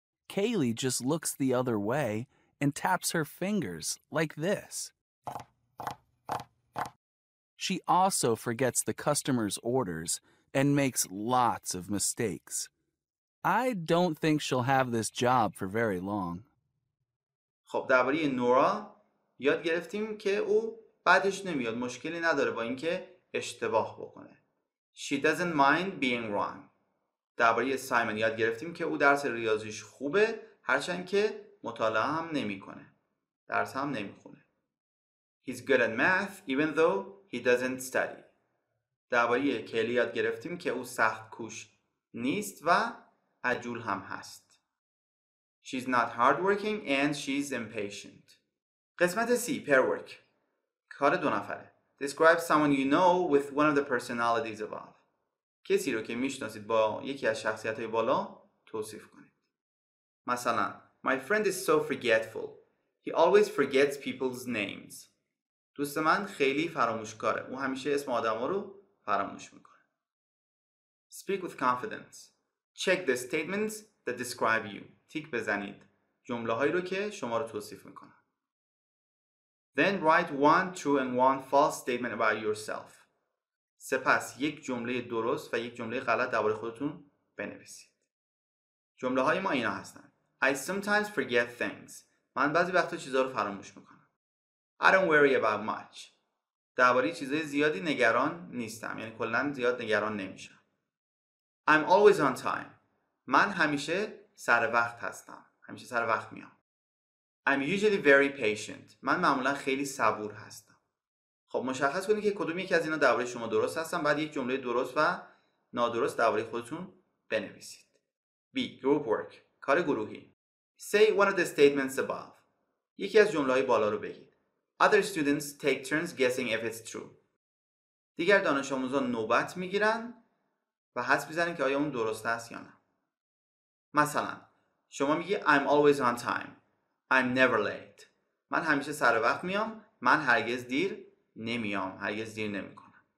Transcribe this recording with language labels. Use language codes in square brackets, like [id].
[en] Kaylee just looks the other way and taps her fingers like this. She also forgets the customers' orders and makes lots of mistakes. I don't think she'll have this job for very long. [fa] خب درباره نورا یاد گرفتیم که او بعدش نمیاد، مشکلی نداره با اینکه اشتباه بکنه. [en] She doesn't mind being wrong. [fa] درباره سایمون یاد گرفتیم که او درس ریاضیش خوبه، هرچند که مطالعه هم نمیکنه. درس هم نمیخونه. [en] He's good at math even though he doesn't study. [fa] درباره کلی یاد گرفتیم که او سخت کوش نیست و عجول هم هست. [en] She's not hardworking and she's impatient. [fa] قسمت C. [en] Pair work. [fa] کار دو نفره. [en] Describe someone you know with one of the personalities above. [fa] کسی رو که میشناسید با یکی از شخصیت‌های بالا توصیف کنید. [en] مثلا My friend is so forgetful. He always forgets people's names. [fa] دوست من خیلی فراموشکاره. او همیشه اسم آدم ها رو فراموش میکنه. [en] Speak with confidence. Check the statements that describe you. [fa] تیک بزنید. جمله هایی رو که شما رو توصیف میکنه. [en] Then write one true and one false statement about yourself. [fa] سپس یک جمله درست و یک جمله غلط درباره خودتون بنویسید. جمله های ما اینا هستن. [en] I sometimes forget things. [fa] من بعضی وقتا چیزها رو فراموش میکنم. [en] I don't worry about much. [fa] درباره چیزهای زیادی نگران نیستم. یعنی کلن زیاد نگران نمیشم. [en] I'm always on time. [fa] من همیشه سر وقت هستم. همیشه سر وقت میام. [en] I'm usually very patient. [fa] من معمولا خیلی صبور هستم. خب مشخص کنید که کدوم یکی از اینا درباره شما درست هستن. بعد یک جمله درست و نادرست درباره خودتون بنویسید. B. Group work. کار گروهی. Say one of the statements above. یکی از جمله های بالا رو بگید. [en] Other students take turns guessing if it's true. [fa] دیگر دانش آموزان نوبت میگیرن و حدس بزنن که آیا اون درست هست یا نه. مثلا شما میگی [en] I'm always on time. I'm never late. [fa] من همیشه سر وقت میام. من هرگز دیر نمیام. هرگز دیر نمیکنم.